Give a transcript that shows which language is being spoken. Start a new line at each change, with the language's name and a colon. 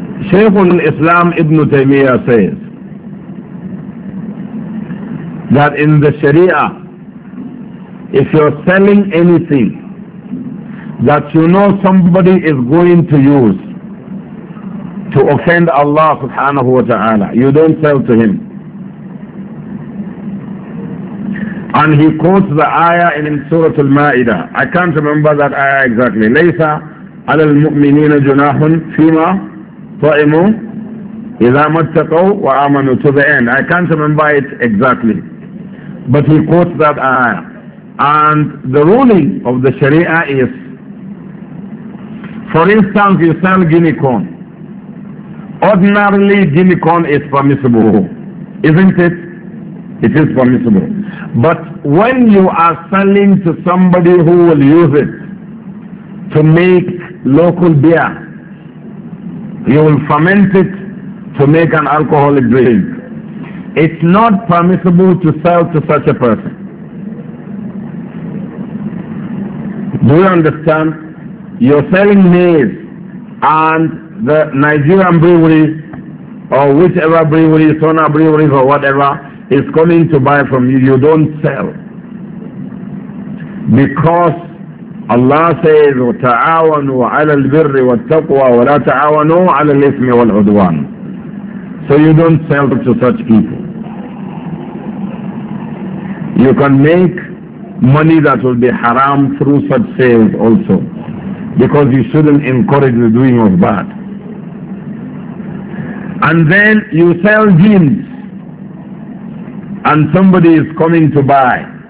English: Shaykh al-Islam Ibn Taymiyyah says that in the Sharia, if you're selling anything that you know somebody is going to use to offend Allah subhanahu wa ta'ala, you don't sell to him. And he quotes the ayah in Surah Al-Ma'idah. I can't remember that ayah exactly.
Arabic: لَيْسَ عَلَى الْمُؤْمِنِينَ جُنَاحٌ فِيمَا طَعِمُوا إِذَا مَتَّقَوْا وَآمَنُوا
English: to the end. I can't remember it exactly. But he quotes that ayah. And the ruling of the Sharia is, for instance, you sell guinea corn. Ordinarily, guinea corn is permissible, isn't it? It is permissible. But when you are selling to somebody who will use it to make local beer, you will ferment it to make an alcoholic drink, it's not permissible to sell to such a person. Do you understand? You're selling maize, and the Nigerian brewery, or whichever brewery, Sona Breweries or whatever, is coming to buy from you. You don't sell. Because Allah says,
Arabic: وَتَعَاوَنُوا عَلَى الْبِرِّ وَالتَّقْوَى وَلَا تَعَاوَنُوا عَلَى الْإِثْمِ وَالْعُدْوَانِ.
English: So you don't sell to such people. You can make money that will be haram through such sales also. Because you shouldn't encourage the doing of bad. And then you sell jeans, and somebody is coming to buy.